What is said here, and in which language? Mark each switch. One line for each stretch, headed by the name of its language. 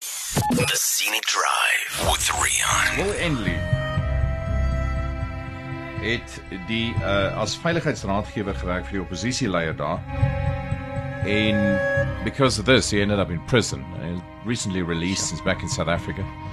English: The Scenic Drive with Rian.
Afrikaans: Will Endley het die as veiligheidsraadgewer gewerk vir die oppositieleier daar.
English: En because of this, he ended up in prison. Recently released, he's back in South Africa.